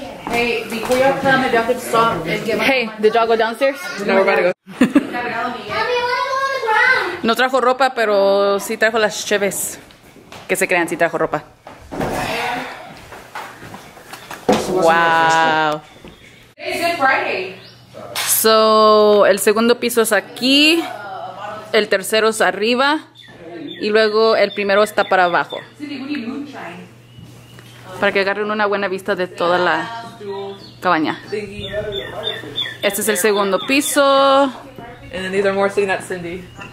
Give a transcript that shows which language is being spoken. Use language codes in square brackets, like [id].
[en] Hey, before y'all come, if y'all could stop and get my. Hey, did y'all go downstairs? No, we're about to go. Mommy, I want to go on the ground. [es] No trajo ropa, pero sí trajo las cheves. Que se crean, sí trajo ropa. [en] Wow. Hey, it's Good Friday. [es] So, el segundo piso es aquí. El tercero es arriba. Y luego el primero está para abajo. Para que agarren una buena vista de toda la cabaña. Este es el segundo piso. [en] And then these are more sitting at Cindy.